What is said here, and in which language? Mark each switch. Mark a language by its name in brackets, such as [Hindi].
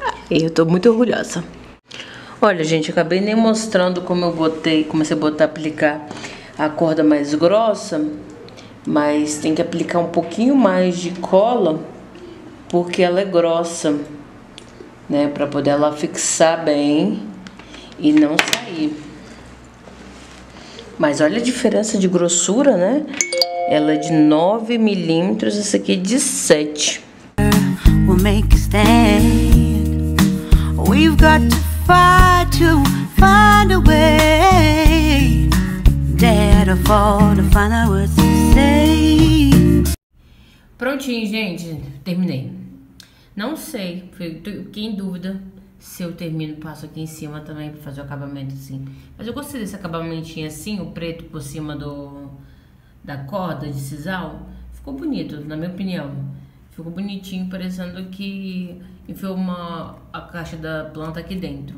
[Portuguese] Eu tô muito orgulhosa. Olha, gente, acabei nem mostrando como eu botei, comecei a botar, aplicar a corda mais grossa, mas tem que aplicar um pouquinho mais de cola, porque ela é grossa, né? Pra poder ela fixar bem e não sair. Mas olha a diferença de grossura, né? Ela é de 9 milímetros, essa aqui é de 7. [English] We'll make a stand. We've got to fight to find a way. Dare to fall to find a word to say. [Portuguese] Prontinho, gente. Terminei. Não sei, fiquei em dúvida se eu termino, passo aqui em cima também pra fazer o acabamento assim. Mas eu gostei desse acabamentinho assim, o preto por cima da corda de sisal. Ficou bonito, na minha opinião. Ficou bonitinho, parecendo que enfiou a caixa da planta aqui dentro.